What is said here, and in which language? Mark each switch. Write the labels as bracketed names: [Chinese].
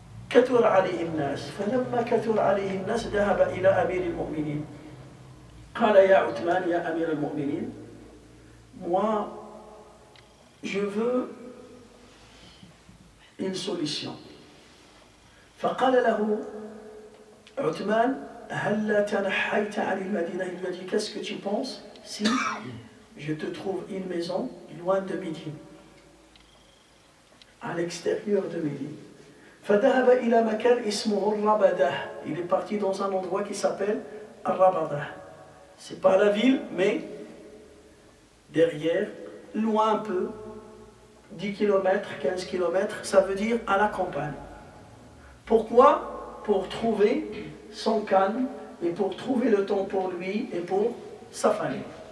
[Arabic] كثر عليه الناس فلما كثر عليه الناس ذهب الى امير المؤمنين [French] قال يا عثمان يا امير المؤمنين moi je veux une solution [Arabic] فقال له عثمان هل تنحيت عن المدينه [French] il dit qu'est-ce que tu penses si je te trouve une maison loin de Médine à l'extérieur de Médine. [Arabic] فذهب إلى مكان اسمه الربدة. [French] Il est parti dans un endroit qui s'appelle الربدة. C'est pas la ville, mais derrière, loin un peu, 10 km, 15 km, ça veut dire à la campagne. Pourquoi? Pour trouver son calme et pour trouver le temps pour lui et pour sa famille.